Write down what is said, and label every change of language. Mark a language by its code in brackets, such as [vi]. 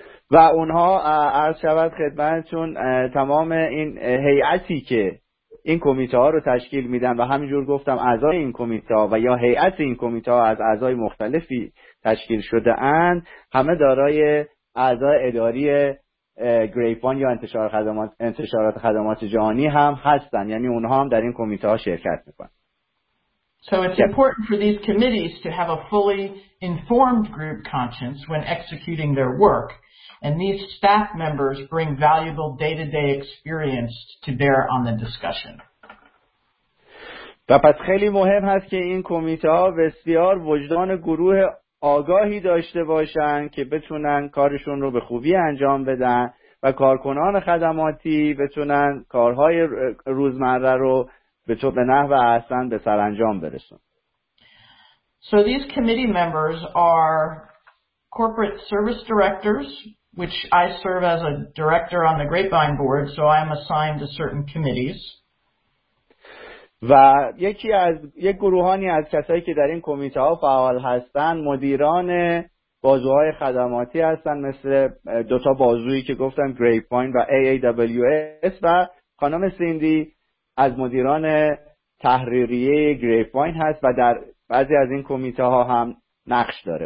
[fa] و اونها عرض شود خدمتتون تمام این هیئتی که این کمیته ها رو تشکیل میدن و همینجور گفتم اعضای این کمیته ها و یا هیئت این کمیته ها از اعضای مختلفی تشکیل شده اند همه دارای اعضای اداری گریپوان یا انتشارات خدمات جهانی هم هستن، یعنی اونها هم در این کمیته ها شرکت میکنن. [en] So it's important for these committees to have a fully informed group conscience when executing their work, and these staff members bring valuable day-to-day experience to bear on the discussion. [fa] و پس خیلی مهم هست که این کمیته ها بسیار وجدان گروه آگاهی داشته باشن که بتونن کارشون رو به خوبی انجام بدن و کارکنان خدماتی بتونن کارهای روزمره رو به تو به نحو احسن به سرانجام برسون. [en] So these committee members are corporate service directors, which I serve as a director on the Grapevine board, so I am assigned to certain committees. [fa] و یک گروهانی از کسایی که در این کمیته ها فعال هستن مدیران بازوهای خدماتی هستن، مثل دوتا بازویی که گفتم گریپوین و AAWS، و خانم سیندی از مدیران تحریریه گریپوین هست و در بعضی از این کمیته ها هم نقش داره.